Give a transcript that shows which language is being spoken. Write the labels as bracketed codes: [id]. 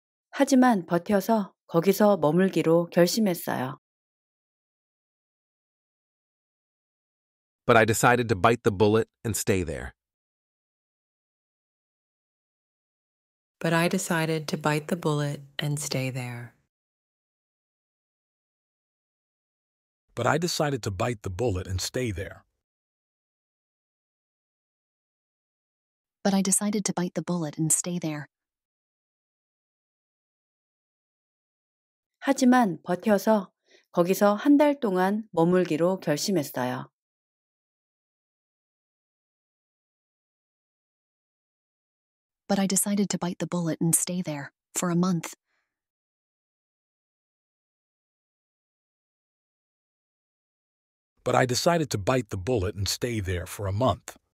[ko] 하지만 버텨서 거기서 머물기로 결심했어요. [en] But I decided to bite the bullet and stay there. But I decided to bite the bullet and stay there. But I decided to bite the bullet and stay there. But I decided to bite the bullet and stay there. [ko] 하지만 버텨서 거기서 한 달 동안 머물기로 결심했어요. [en] But I decided to bite the bullet and stay there for a month. But I decided to bite the bullet and stay there for a month.